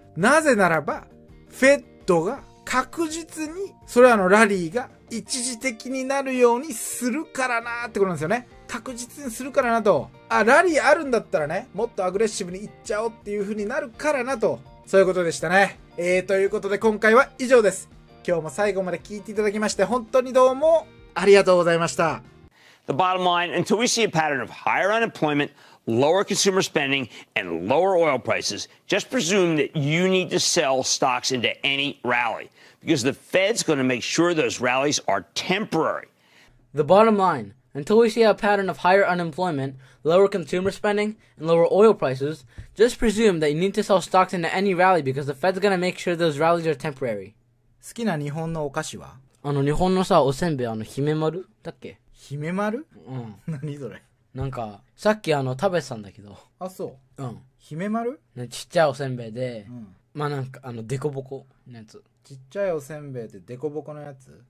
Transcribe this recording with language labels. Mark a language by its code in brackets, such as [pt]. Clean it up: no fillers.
[ja] なぜならば、フェッドが確実に、それらのラリーが一時的になるようにするからなってことなんですよね。確実にするからなと。あ、ラリーあるんだったらね、もっとアグレッシブにいっちゃおうっていうふうになるからなと。そういうことでしたね。ということで今回は以上です。今日も最後まで聞いていただきまして、本当にどうもありがとうございました。 [en] The bottom line, until we see a pattern of higher unemployment, lower consumer spending, and lower oil prices, just presume that you need to sell stocks into any rally, because the Fed's going to make sure those rallies are temporary. The bottom line, until we see a pattern of higher unemployment, lower consumer spending, and lower oil prices, just presume that you need to sell stocks into any rally, because the Fed's going to make sure those rallies are temporary. [ja] 好きな日本のお菓子は? あの日本のさ、おせんべい、あの姫丸だっけ? 姫丸？うん。何それ？なんかさっきあの食べてたんだけど。あ、そう。うん。姫丸？ね、ちっちゃいおせんべいで、うん、まあなんかあのデコボコのやつ。ちっちゃいおせんべいでデコボコのやつ？